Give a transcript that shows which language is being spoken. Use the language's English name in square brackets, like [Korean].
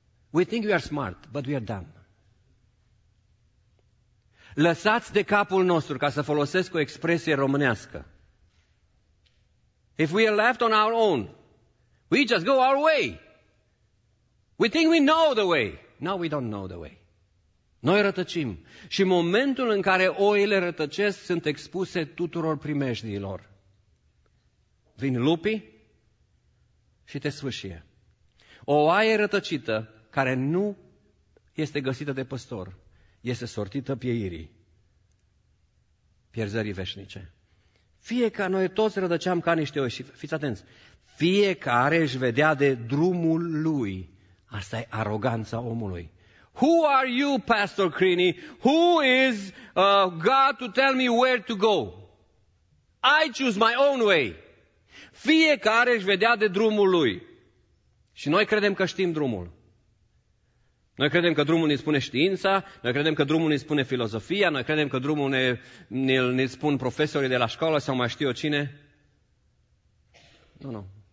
[English] We think we are smart, but we are dumb. [Romanian] Lăsați de capul nostru, ca să folosesc o expresie românească. [English] If we are left on our own, we just go our way. We think we know the way. No, we don't know the way. [Romanian] Noi rătăcim și momentul în care oile rătăcesc sunt expuse tuturor primejdiilor. Vin lupii și te sfâșie. O oaie rătăcită care nu este găsită de păstor, este sortită pieirii, pierzării veșnice. Fie ca noi toți rătăceam ca niște oi și fiți atenți, fiecare își vedea de drumul lui. Asta e aroganța omului. [English] Who are you, Pastor Crini? Who is God to tell me where to go? I choose my own way. [Romanian] Fiecare își vedea de drumul lui. Și noi credem că știm drumul. Noi credem că drumul ne spune știința, noi credem că drumul ne spune filozofia, noi credem că drumul ne spun profesorii de la școală sau mai știu eu cine. Nu.